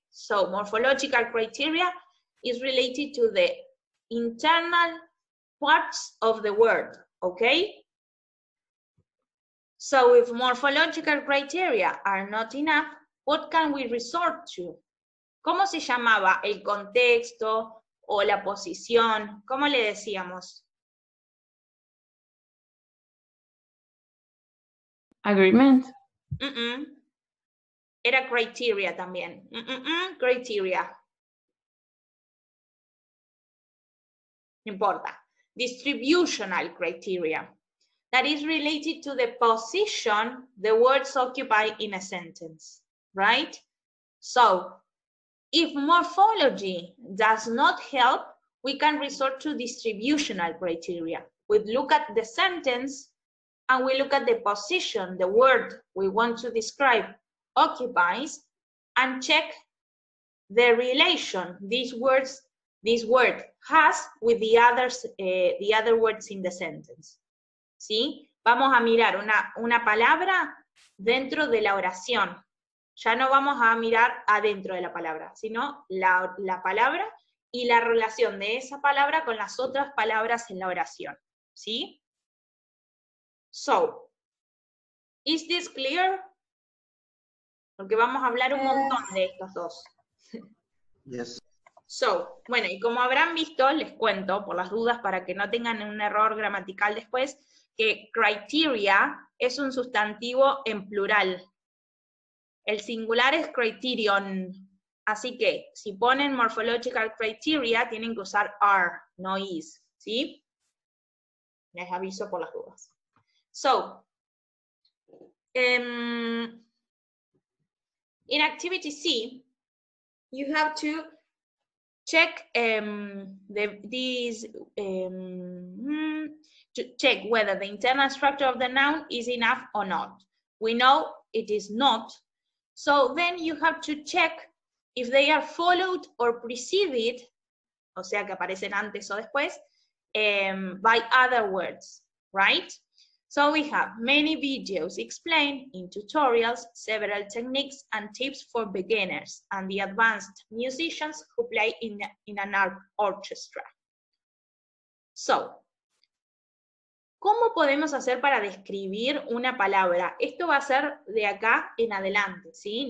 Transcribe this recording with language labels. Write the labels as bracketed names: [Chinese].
[English] So morphological criteria is related to the internal parts of the word, okay? So if morphological criteria are not enough, what can we resort to? [Spanish] ¿Cómo se llamaba el contexto o la posición? ¿Cómo le decíamos? [English] Agreement. [Spanish] Mm-mm. Era criteria también. Mm-mm-mm. Criteria. No importa. Distributional criteria. [English] That is related to the position the words occupy in a sentence. Right? So, if morphology does not help, we can resort to distributional criteria. We look at the sentence and we look at the position the word we want to describe occupies and check the relation this word has with the other words in the sentence. [Spanish] ¿Sí? Vamos a mirar una palabra dentro de la oración. Ya no vamos a mirar adentro de la palabra, sino la palabra y la relación de esa palabra con las otras palabras en la oración. ¿Sí? [English] So, is this clear? [Spanish] Porque vamos a hablar un montón de estos dos. [English] Yes. [Spanish] So, bueno, y como habrán visto, les cuento, por las dudas, para que no tengan un error gramatical después, que criteria es un sustantivo en plural. El singular es criterion, así que si ponen morphological criteria, tienen que usar are, no is, ¿sí? Les aviso por las dudas. [English] So, in activity C, you have to check to check whether the internal structure of the noun is enough or not. We know it is not. So then you have to check if they are followed or preceded, [Spanish] o sea que aparecen antes o después, [English] by other words, right? So we have many videos explained in tutorials, several techniques and tips for beginners and the advanced musicians who play in an orchestra. [Spanish] So, ¿cómo podemos hacer para describir una palabra? Esto va a ser de acá en adelante, ¿sí?